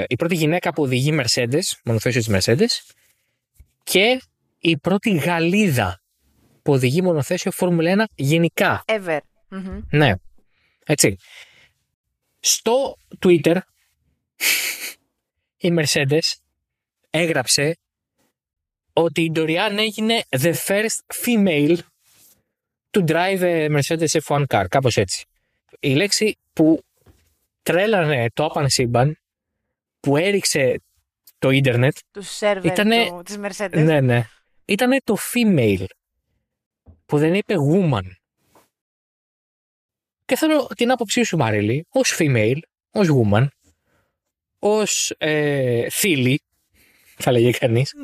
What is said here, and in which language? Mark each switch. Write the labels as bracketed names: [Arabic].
[Greek] γυναίκα που οδηγεί Mercedes, μονοθέσιο της Mercedes, και η πρώτη Γαλλίδα που οδηγεί μονοθέσιο Formula 1 γενικά. [English] Ever. [Greek] Ναι. Έτσι. Στο Twitter η Mercedes έγραψε ότι η Ντοριάν έγινε [English] the first female to drive a Mercedes F1 car, [Greek] κάπως έτσι. Η λέξη που τρέλανε το open σύμπαν, που έριξε το ίντερνετ, του σερβερ ήτανε, της Mercedes. Ναι, ναι. Ήτανε το female, που δεν είπε woman. Και θέλω την άποψή σου, Μαρίλη, ως female, ως woman, ως φίλη, θα λέγε κανείς.